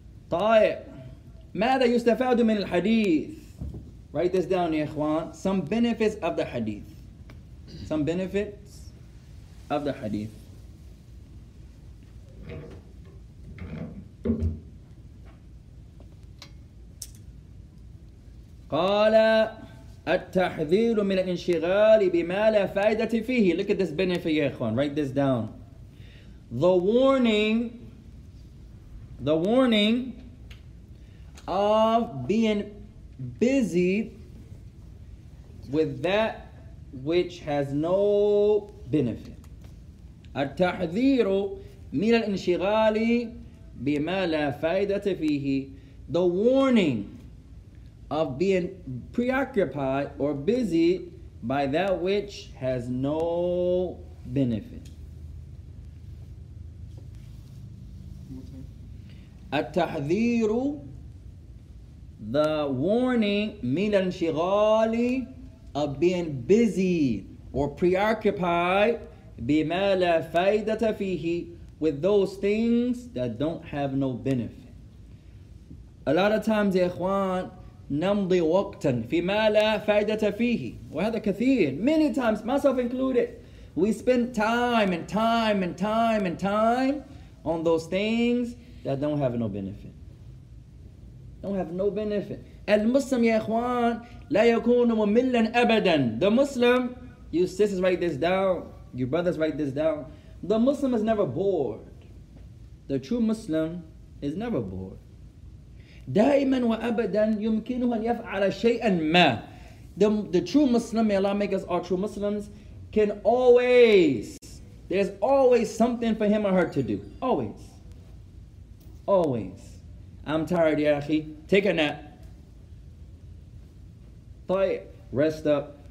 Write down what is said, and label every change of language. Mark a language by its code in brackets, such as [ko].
[ar] طيب ماذا يستفاد من الحديث [en] Write this down, [ar] يا إخوان. [en] Some benefits of the hadith. Some benefits of the hadith. [ar] قال التحذير من الانشغال بما لا فائدة فيه. [en] Look at this benefit, [ar] يا إخوان. [en] Write this down. The warning of being busy with that which has no benefit. [ar] التحذير من الانشغال بما لا فائدة فيه. [en] The warning of being preoccupied or busy by that which has no benefit. [ar] التحذير [en] The warning [ar] من الانشغال [en] of being busy or preoccupied [ar] بما لا فائدة فيه [en] with those things that don't have no benefit. A lot of times, [ar] يا إخوان, نمضي وقتا فيما لا فائدة فيه وهذا كثير. [en] Many times, myself included, we spend time and time and time and time on those things that don't have no benefit. Don't have no benefit. [ar] المسلم يا إخوان لا يكون مملا أبدا. [en] The Muslim, you sisters write this down, you brothers write this down. The Muslim is never bored. The true Muslim is never bored. [ar] دائما وأبدا يمكنه أن يفعل شيئا ما. [en] The true Muslim, may Allah make us all true Muslims, can always, there's always something for him or her to do. Always. Always. I'm tired, ya akhi. Take a nap. طيب. Rest up.